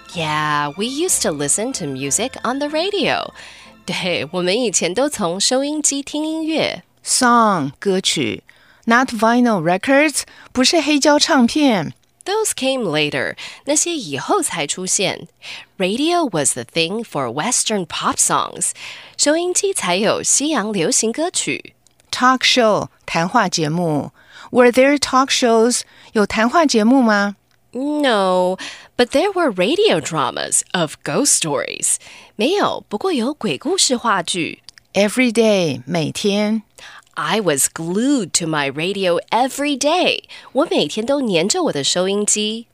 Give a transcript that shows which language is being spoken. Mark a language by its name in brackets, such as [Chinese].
[English] Yeah, we used to listen to music on the radio. [Chinese] 对，我们以前都从收音机听音乐。 [English] Song, 歌曲。Not vinyl records, [Chinese] 不是黑胶唱片。 [English] Those came later. [Chinese] 那些以后才出现。 [English] Radio was the thing for Western pop songs. [Chinese] 收音机才有西洋流行歌曲。 [English] Talk show, [Chinese] 谈话节目。 [English] Were there talk shows? [Chinese] 有谈话节目吗？ [English] No, but there were radio dramas of ghost stories. [Chinese] 没有，不过有鬼故事话剧。 [English] Every day, [Chinese] 每天。 [English] I was glued to my radio every day. [Chinese] 我每天都黏着我的收音机。